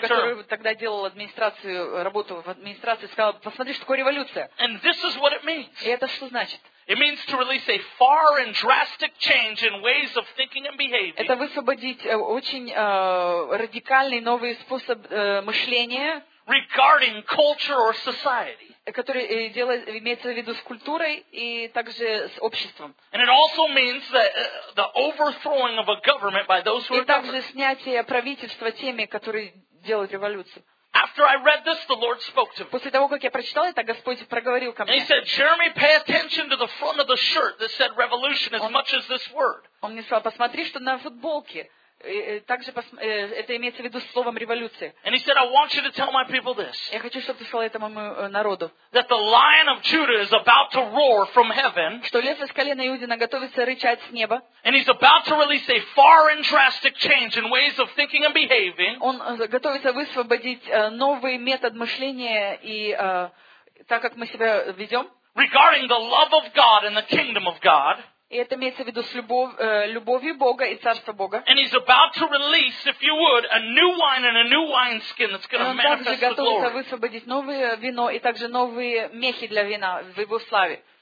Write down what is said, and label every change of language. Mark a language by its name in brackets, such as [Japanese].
[Russian] Который тогда делал администрацию, работу в администрации, сказал, посмотри, что такое революция. [English] And this is what it means. [Russian] И это что значит? [English] It means to release a far and drastic change in ways of thinking and behaving. [Russian] Это высвободить очень радикальный новый способ мышления. [English] Regarding culture or society. [Russian] Который имеется в виду с культурой и также с обществом. [English] And it also means that the overthrowing of a government by those who are governed. [Russian] И также снятие правительства теми, которые делают революцию. [English] After I read this, the Lord spoke to me. [Russian] После того, как я прочитал это, Господь проговорил ко мне. [English] And he said, Jeremy, pay attention to the front of the shirt that said revolution as much as this word. [Russian] Он мне сказал, посмотри, что на футболке. Также это имеется в виду словом революции. [English] And he said, I want you to tell my people this. [Russian] Я хочу, чтобы ты сказал этому народу. [English] That the Lion of Judah is about to roar from heaven. [Russian] Что лев из колена Иудина готовится рычать с неба. [English] And he's about to release a far and drastic change in ways of thinking and behaving. [Russian] Он готовится высвободить новый метод мышления и так как мы себя ведем. [English] Regarding the love of God and the kingdom of God. [Russian] И это имеется в виду с любовью Бога и Царства Бога. [English] And he's about to release, if you would, a new wine and a new wineskin that's going to manifest the glory. [Russian] Он также готовится высвободить новое вино и также новые мехи для вина в его славе.